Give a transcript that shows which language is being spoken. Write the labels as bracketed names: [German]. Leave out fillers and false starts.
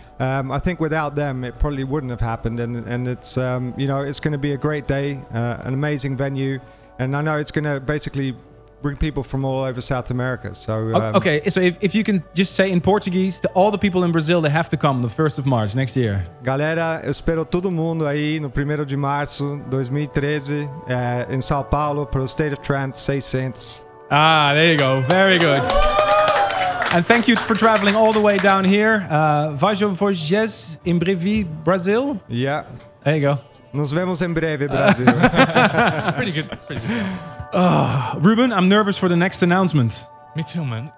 [English] I think without them, it probably wouldn't have happened. And it's, you know, it's going to be a great day, an amazing venue. And I know it's going to basically bring people from all over South America. So, okay. So if you can just say in Portuguese to all the people in Brazil, they have to come on the 1st of March next year. [Portuguese] Galera, eu espero todo mundo aí no 1º de março 2013 em São Paulo para o State of Trance 600. [English] Ah, there you go. Very good. And thank you for traveling all the way down here. [Portuguese] Vajo Vojes em breve, Brazil. [English] Yeah. There you go. [Portuguese] Nos vemos em breve, Brazil. [English] Pretty good. Ruben, I'm nervous for the next announcement. Me too, man.